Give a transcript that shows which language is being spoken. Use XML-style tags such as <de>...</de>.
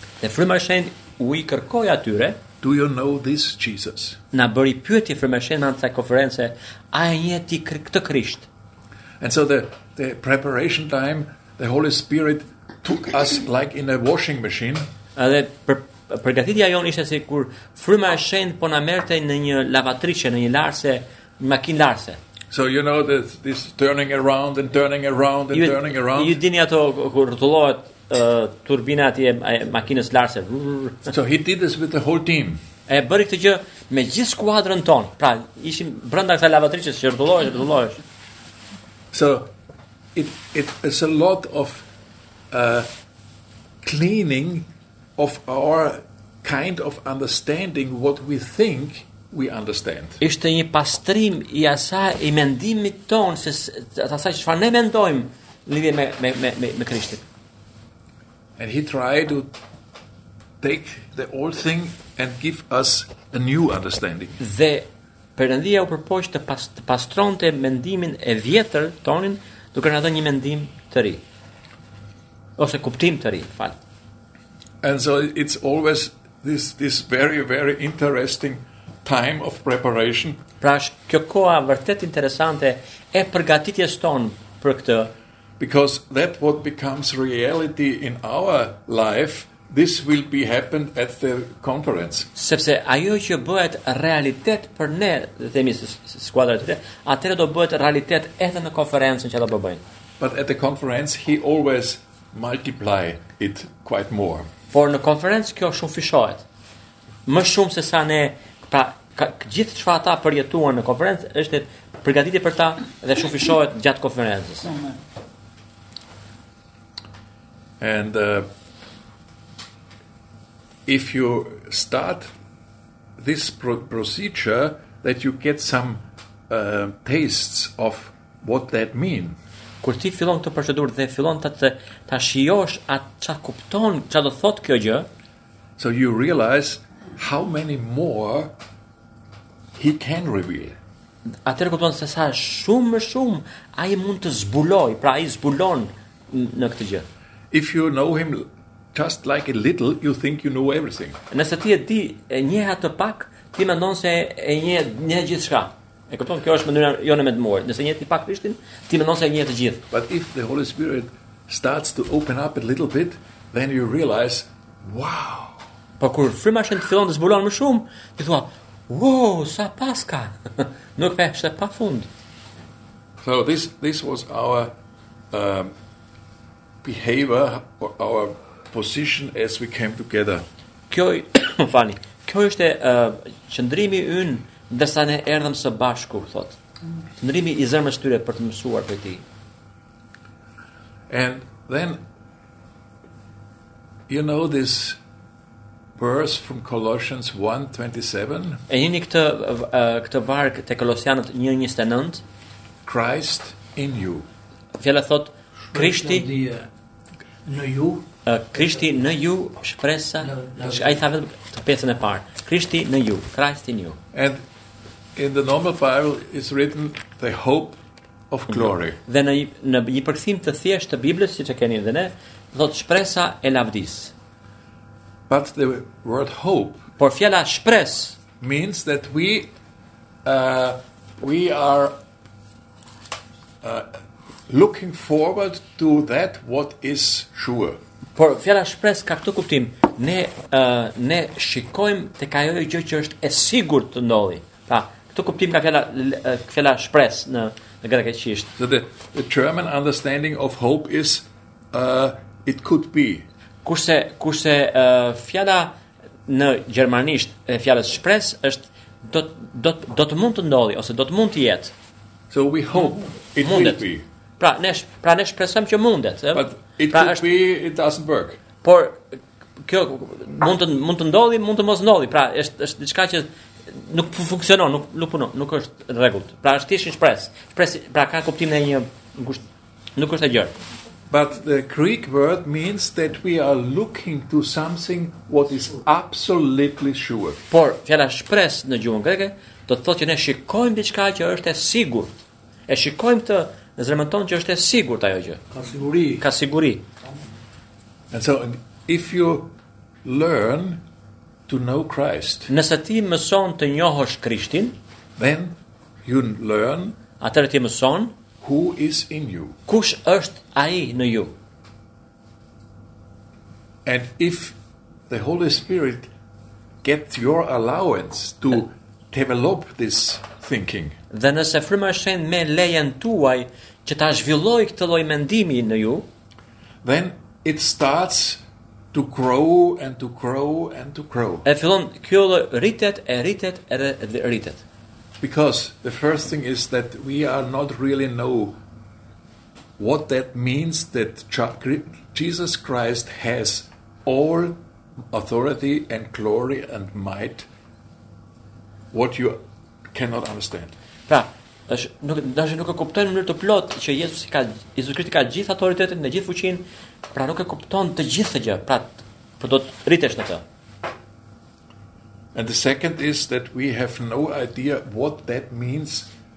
<sq>Ne Fryma e Shenjtë u i kërkoi atyre,</sq> <en>do you know this Jesus?</en> <sq>Na bëri pyetje Fryma e Shenjtë në atë konferencë, a e njeh ti këtë Krisht?</sq> <en>And so the preparation time, the Holy Spirit took us like in a washing machine.</en> <sq>Edhe përgatitja jon ishte si kur Fryma e Shenjtë po na merrte në një lavatrice, në një larse, një makinë larse.</sq> <en>So you know that this turning around and turning around and turning around.</en> <sq>Ju dini ato kur rrotullohet turbina e makinës larse.</sq> <en>So he did this with the whole team.</en> <sq>E bëri këtë gjë me gjithë skuadrën tonë. Pra, ishim brenda kësaj lavatrices që rrotullohej, rrotullohej.</sq> <en>So it is a lot of cleaning of our kind of understanding what we think we understand.</en> <sq>Ishte një pastrim i asaj i mendimit ton se asaj çfarë ne mendojmë lidhje me Krishtin.</sq> <en>And he tried to take the old thing and give us a new understanding.</en> <sq>Dhe Perëndia u përpoq të pastronte mendimin e vjetër tonin duke na dhënë një mendim të ri. Ose kuptim të ri, fal.</sq> <en>And so it's always this very very interesting time of preparation.</en> <sq>Pra, kjo koha vërtet interesante e përgatitjes tonë për këtë.</sq> <en>Because that what becomes reality in our life, this will be happened at the conference.</en> <sq>Sepse ajo që bëhet realitet për ne, themi skuadrat e tjera, atëherë do bëhet realitet edhe në konferencën që do bëjnë.</sq> <en>But at the conference he always multiply it quite more.</en> <sq>Por në konferencë kjo shumë fishohet. Më shumë se sa ne, pra, gjithë çfarë ata përjetuan në konferencë është përgatitje për ta dhe shumë fishohet gjatë konferencës.</sq> <en>And if you start this procedure that you get some tastes of what that mean.</en> <sq>Kur ti fillon këtë procedurë dhe fillon ta shijosh atë ç'a kupton, ç'a do thot kjo gjë,</sq> <en>so you realize how many more he can reveal.</en> <sq>Atëherë kupton se sa shumë më shumë ai mund të zbuloj, pra ai zbulon në këtë gjë.</sq> <en>If you know him just like a little, you think you know everything.</en> <sq>Nëse ti e di e njeh atë pak, ti mendon se e njeh gjithçka. E kupton, kjo është mënyra jone me të mohuar. Nëse njeh ti pak Krishtin, ti mendon se e njeh të gjithë.</sq> <en>But if the Holy Spirit starts to open up a little bit, then you realize, wow.</en> <sq>Po kur Fryma e Shenjtë fillon të zbulon më shumë, ti thua, wow, sa paska. Nuk vesh të pafund.</sq> <en>So this was our behavior or our position as we came together.</en> <sq>Kjo</sq> <en>funny.</en> <sq>Kjo ishte qëndrimi ynë ndërsa ne erdhëm së bashku, thot. Qëndrimi i zemrës tyre për të mësuar prej tij.</sq> <en>And then you know this verse from Colossians 1:27.</en> <sq>E jeni këtë varg te Kolosianët 1:29.</sq> <en>Christ in you.</en> <sq>Fjala thot Krishti në ju. Krishti në ju, shpresa, ai tha vetëm të pjesën e parë. Krishti në ju,</sq> <en>Christ in you. And in the normal Bible is written the hope of glory.</en> <sq>Dhe në një përkthim të thjeshtë të Biblës, siç e keni edhe ne, thot shpresa e lavdis.</sq> <en>But the word hope,</en> <sq>por fjala shpres,</sq> <en>means that we are looking forward to that what is sure.</en> <sq>Por fjala shpres ka këtë kuptim. Ne shikojmë tek ajo gjë që është e sigurt të ndodhi. Pra, këtë kuptim ka fjala shpres në greqisht.</sq> <en>So the German understanding of hope is it could be.</en> <sq>kurse fjala në gjermanisht e fjalës shpres është do të mund të ndodhi ose do të mund të jetë.</sq> <en>So we hope it</en> <sq>mundet.</sq> <en>Will be.</en> <sq>Pra ne shpresojmë që mundet.</sq> <en>But it</en> <sq>pra</sq> <en>could be it doesn't work.</en> <sq>Por kjo mund të ndodhi, mund të mos ndodhi. Pra është diçka që nuk funksionon, nuk punon, nuk është në rregull. Pra është thjesht shpresë. Shpresë pra ka kuptimin e një ngusht, nuk është e gjerë. But the Greek word means that we are looking to something what is absolutely sure. Por fjala shpresë në gjuhën greke do të thotë që ne shikojmë diçka që është e sigurt. E shikojmë të zërmëton që është e sigurt ajo gjë. Ka siguri. Ka siguri.</sq> <en>And so if you learn to know Christ.</en> <sq>Nëse ti mëson të njohësh Krishtin,</sq> <en>then you learn.</en> <sq>Atëherë ti mëson</sq> <en>who is in you.</en> <sq>Kush është ai në ju?</sq> <en>And if the Holy Spirit gets your allowance to develop this thinking.</en> <sq>Dhe nëse Fryma e Shenjtë me lejen tuaj që ta zhvilloj këtë lloj mendimi në ju,</sq> <en>then it starts to grow and to grow and to grow.</en> <sq>E fillon kjo rritet e rritet edhe rritet.</sq> <en>Because the first thing is that we are not really know what that means that Jesus Christ has all authority and glory and might, what you cannot understand.</en> <sq>Pra, nuk e kupton në mënyrë të plot që Jezusi Krishti ka gjithë autoritetin dhe gjithë fuqinë, pra nuk e kupton të gjithë gjë, pra për do të rritesh në të.</sq> <en>And the second is that we have no idea what that means.</en>